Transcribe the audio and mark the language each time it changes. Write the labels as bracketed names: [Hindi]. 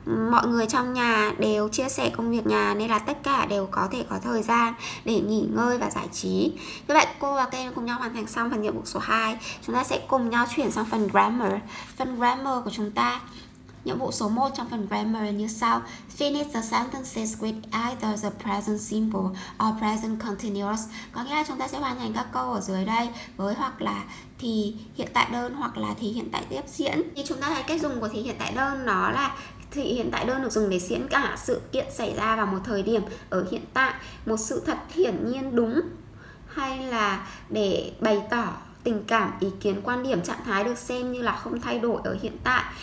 [Vietnamese] Mọi người trong nhà đều chia sẻ công việc nhà nên là tất cả đều có thể có thời gian để nghỉ ngơi và giải trí. Như vậy cô và Kem cùng nhau hoàn thành xong phần nhiệm vụ số 2. Chúng ta sẽ cùng nhau chuyển sang phần grammar. Phần grammar của chúng ta, nhiệm vụ số 1 trong phần grammar như sau. [English] Finish the sentences with either the present simple or present continuous. [Vietnamese] Có nghĩa là chúng ta sẽ hoàn thành các câu ở dưới đây với hoặc là thì hiện tại đơn hoặc là thì hiện tại tiếp diễn. Thì chúng ta thấy cách dùng của thì hiện tại đơn nó là thì hiện tại đơn được dùng để diễn cả sự kiện xảy ra vào một thời điểm ở hiện tại, một sự thật hiển nhiên đúng, hay là để bày tỏ tình cảm, ý kiến, quan điểm, trạng thái được xem như là không thay đổi ở hiện tại.